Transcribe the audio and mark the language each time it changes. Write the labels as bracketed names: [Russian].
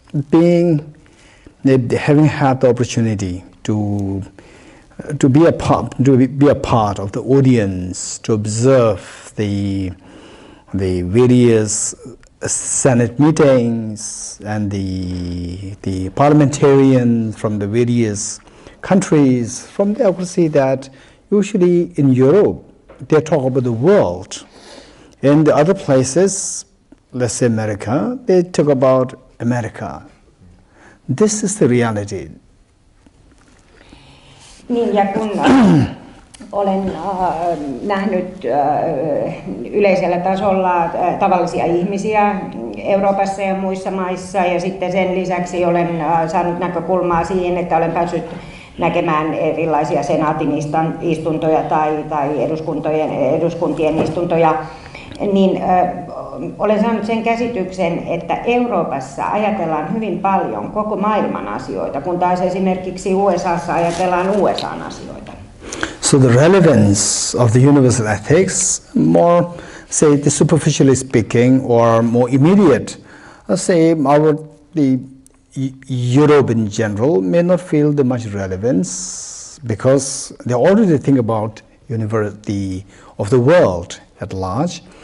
[English] being having had the opportunity to be a part of the audience, to observe the various Senate meetings and the parliamentarians from the various countries. From there, I could see that usually in Europe, they talk about the world. In the other places, let's say America, they talk about America. This is the reality. [Finnish] Niin, ja kun olen nähnyt yleisellä tasolla tavallisia ihmisiä Euroopassa ja muissa maissa, ja sitten sen lisäksi olen saanut näkökulmaa siihen, että olen päässyt näkemään erilaisia senaatin istuntoja tai eduskuntien istuntoja, niin olen saanut sen käsityksen, että Euroopassa ajatellaan hyvin paljon koko maailman asioita, kun taas esimerkiksi USA:ssa ajatellaan USA:n asioita. [English] So the relevance of the universal ethics, more, say, the superficially speaking, or more immediate, say, the Europe in general may not feel the much relevance because they already think about university of the world at large.